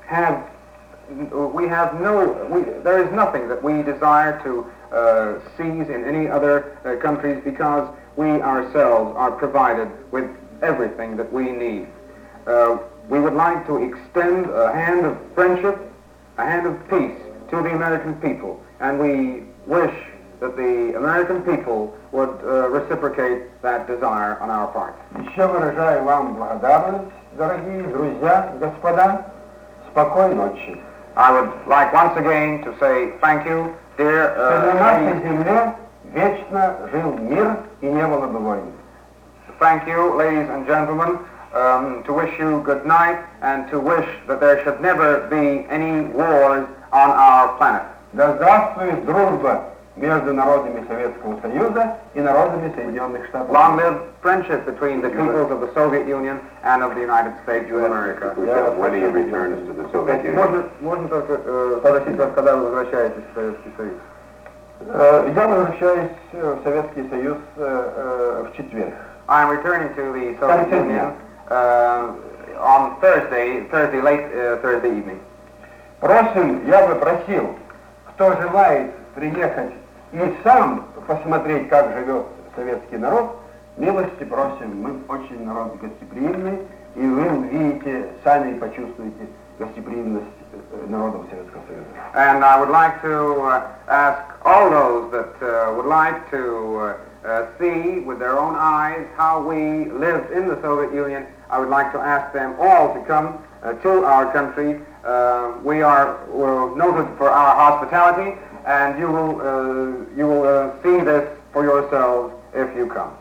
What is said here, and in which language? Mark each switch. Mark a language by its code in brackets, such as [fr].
[en] There is nothing that we desire to seize in any other countries, because we ourselves are provided with everything that we need. We would like to extend a hand of friendship, a hand of peace to the American people, and we wish that the American people would reciprocate that desire on our part. [ru] Еще выражаю вам благодарность, дорогие друзья, господа. Спокойной ночи. [en] I would like once again to say thank you, dear. [ru] На нашей земле вечно жил мир и не было бы войн. [en] Thank you, ladies and gentlemen. To wish you good night, and to wish that there should never be any wars on our planet. [ru] Да здравствует дружба между народами Советского Союза и народами Соединенных Штатов. [en] Long live friendship between the peoples of the Soviet Union and of the United States of America. When he returns to the Soviet Union. [ru] Можно только спросить вас, когда вы возвращаетесь в Советский Союз? Я возвращаюсь в Советский Союз в четверг. [en] I am returning to the Soviet Union. On Thursday, late Thursday evening. [ru] Просим, я бы просил, кто желает приехать и сам посмотреть, как живет советский народ, милости просим, мы очень народ гостеприимный, и вы увидите, сами почувствуете гостеприимность народов Советского Союза. [en] And I would like to ask all those that would like to see with their own eyes how we lived in the Soviet Union, I would like to ask them all to come to our country. We're noted for our hospitality, and you will see this for yourselves if you come.